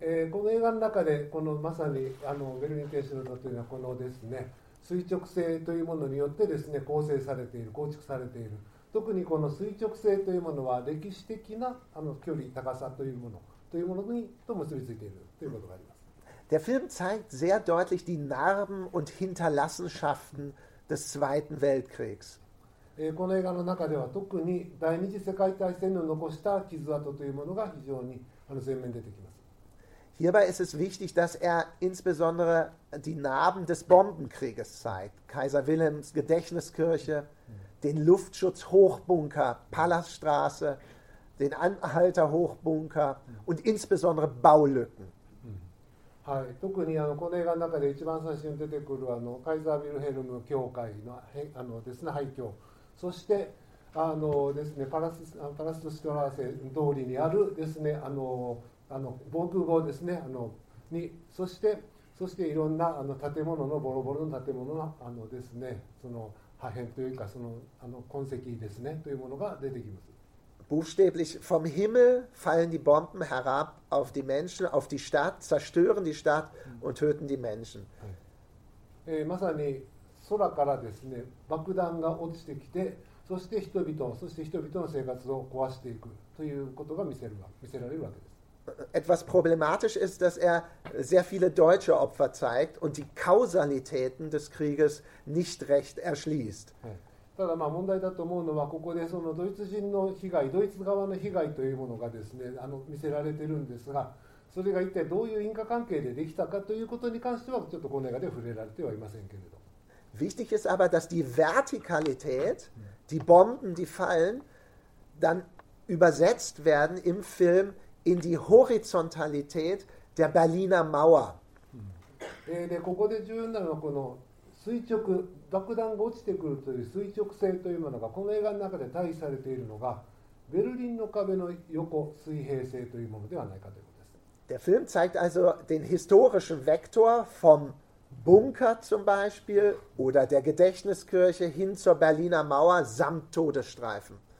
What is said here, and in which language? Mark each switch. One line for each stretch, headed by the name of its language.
Japanese: この映画の中でこのまさにベルリン天使の歌というのはこのですね、垂直性というものによってですね、構成されている、構築されている。特にこの垂直性というものは歴史的な距離、高さというものというものにと結びついているということがあります。
German: Der Film zeigt sehr deutlich die Narben und Hinterlassenschaften des Zweiten Weltkriegs.
Japanese: この映画の中では特に第二次世界大戦の残した傷跡というものが非常に前面に出てきます。
German: Hierbei ist es wichtig, dass er insbesondere die Narben des Bombenkrieges zeigt. Kaiser Wilhelms Gedächtniskirche, den Luftschutzhochbunker Palaststraße, den Anhalter Hochbunker und insbesondere Baulücken.
Japanese: はい、特にこの映画の中で一番最初に出てくるカイザー・ヴィルヘルム教会のですね、廃墟、そしてですね、パラストストラーセ通りにあるですね、防空壕ですね、にそしていろんな建物のボロボロの建物のですね、その破片というかその痕跡ですね、というものが出てきます。
German: Buchstäblich vom Himmel fallen die Bomben herab auf die Menschen, auf die Stadt, zerstören die Stadt und töten die Menschen.
Japanese: はい。まさに空からですね、爆弾が落ちてきて、そして人々の生活を壊していくということが見せられるわけです。
German: Etwas problematisch ist, dass er sehr viele deutsche Opfer zeigt und die Kausalitäten des Krieges nicht recht erschließt.
Japanese: ただまあ問題だと思うのは、ここでそのドイツ人の被害、ドイツ側の被害というものがですね、見せられているんですが、それが一体どういう因果関係でできたかということに関しては、ちょっとこの映画で触れられてはいませんけれど。
German: Wichtig ist aber, dass die Vertikalität, die Bomben, die fallen, dann übersetzt werden im Film in die Horizontalität der Berliner Mauer.
Japanese: でここで重要なのはこの垂直、爆弾が落ちてくるという垂直性というものがこの映画の中で対比されているのがベルリンの壁の横、水平性というものではないかということです。
German: Der Film zeigt also den historischen Vektor vom Bunker zum Beispiel oder der Gedächtniskirche hin zur Berliner Mauer samt Todesstreifen.